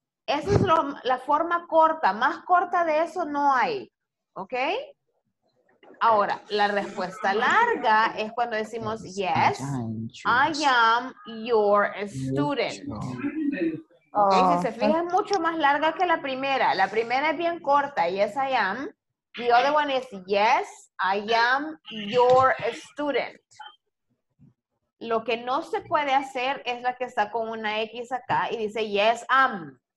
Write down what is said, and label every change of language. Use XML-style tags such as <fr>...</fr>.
<es>Esa es la forma corta. Más corta de eso no hay. ¿Ok? Ahora, la respuesta larga es cuando decimos,</es> <en>yes, I am your student.</en> <es>Okay, si se fija, es mucho más larga que la primera. La primera es bien corta,</es> <en>yes, I am. The other one is, yes, I am your student.</en> <es>Lo que no se puede hacer es la que está con una X acá y dice,</es> <en>yes, am.</en>